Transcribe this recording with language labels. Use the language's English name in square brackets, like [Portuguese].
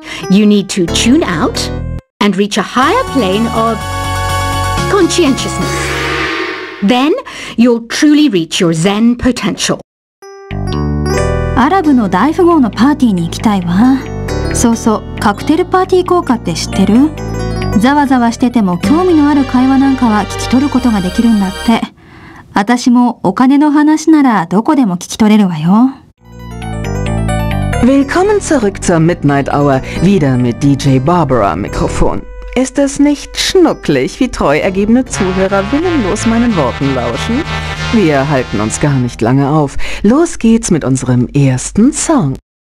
[English] You need to tune out and reach a higher plane of conscientiousness. Then you'll truly reach your Zen potential. [Japanese] アラブの大富豪のパーティーに行きたいわ。そうそう、カクテルパーティー効果って知ってる？ざわざわしてても興味のある会話なんかは聞き取ることができるんだって。私もお金の話ならどこでも聞き取れるわよ。 [German] Willkommen zurück zur Midnight Hour, wieder mit DJ Barbara Mikrofon. Ist es nicht schnucklig, wie treu ergebene Zuhörer willenlos meinen Worten lauschen? Wir halten uns gar nicht lange auf. Los geht's mit unserem ersten Song.